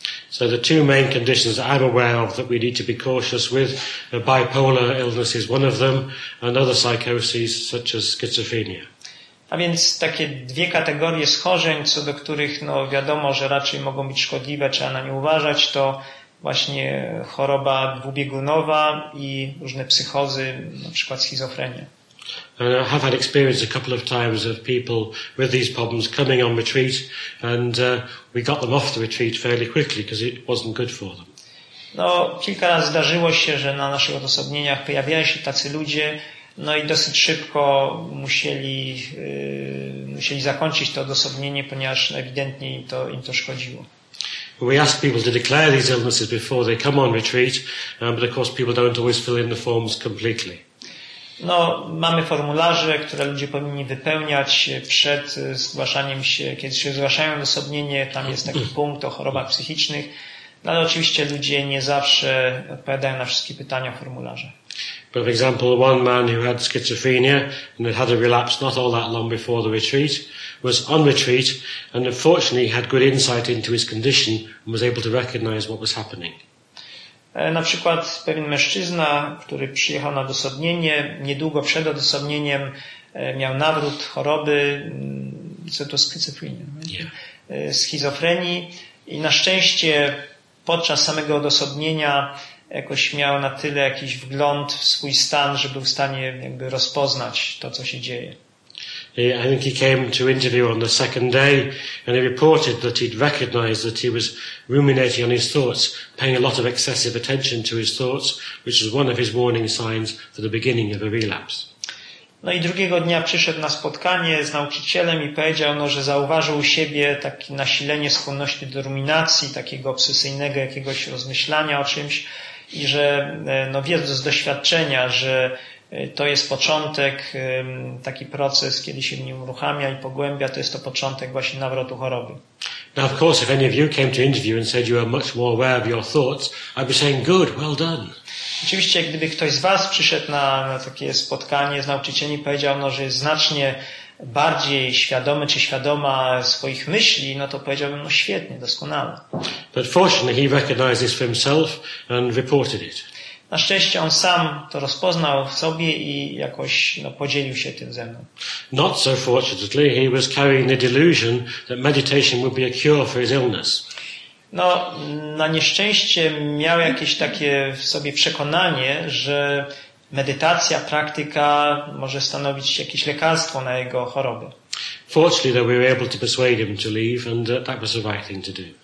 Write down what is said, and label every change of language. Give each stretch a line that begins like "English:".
English: So the two main conditions that I'm aware of that we need to be cautious with, bipolar illness is one of them, and other psychoses such as schizophrenia.
Polish: A więc takie dwie kategorie schorzeń, co do których no wiadomo, że raczej mogą być szkodliwe, trzeba na nie uważać, to właśnie choroba dwubiegunowa i różne psychozy, na przykład schizofrenia.
English: And I have had experience a couple of times of people with these problems coming on retreat, and we got them off the retreat fairly quickly because it wasn't good for them.
Polish: No, kilka razy zdarzyło się, że na naszych odosobnieniach pojawiali się tacy ludzie, no i dosyć szybko musieli zakończyć to odosobnienie, ponieważ ewidentnie im to szkodziło.
English: We ask people to declare these illnesses before they come on retreat, but of course people don't always fill in the forms completely.
Polish: No, mamy formularze, które ludzie powinni wypełniać przed zgłaszaniem się, kiedy się zgłaszają na osobnienie, tam jest taki punkt o chorobach psychicznych, no, ale oczywiście ludzie nie zawsze odpowiadają na wszystkie pytania o formularze.
English: For example, one man who had schizophrenia and had a relapse not all that long before the retreat was on retreat and unfortunately had good insight into his condition and was able to recognize what was happening.
Polish: Na przykład pewien mężczyzna, który przyjechał na odosobnienie, niedługo przed odosobnieniem miał nawrót choroby, co to schizofrenia, schizofrenii i na szczęście podczas samego odosobnienia jakoś miał na tyle jakiś wgląd w swój stan, że był w stanie jakby rozpoznać to, co się dzieje.
English: I think he came to interview on the second day and he reported that he'd recognized that he was ruminating on his thoughts, paying a lot of excessive attention to his thoughts, which is one of his warning signs for the beginning of a relapse.
Polish: No i drugiego dnia przyszedł na spotkanie z nauczycielem i powiedział, no, że zauważył u siebie takie nasilenie skłonności do ruminacji, takiego obsesyjnego jakiegoś rozmyślania o czymś i że, no, wiedząc z doświadczenia, że to jest początek, taki proces, kiedy się w nim uruchamia i pogłębia, to jest to początek właśnie nawrotu choroby.
English: Now of course, if any of you came to interview and said you are much more aware of your thoughts, I'd be saying good, well done.
Polish: Oczywiście, gdyby ktoś z was przyszedł na takie spotkanie z nauczycielem i powiedział, no, że jest znacznie bardziej świadomy czy świadoma swoich myśli, no to powiedziałbym, no świetnie, doskonale.
English: But fortunately he recognized this for himself and reported it.
Polish: Na szczęście on sam to rozpoznał w sobie i jakoś, no, podzielił się tym ze mną.
English: Not so fortunately, he was carrying the delusion that meditation would be a cure for his illness.
Polish: No, na nieszczęście miał jakieś takie w sobie przekonanie, że medytacja, praktyka może stanowić jakieś lekarstwo na jego chorobę.
English: Fortunately, though, we were able to persuade him to leave, and that was the right thing to do.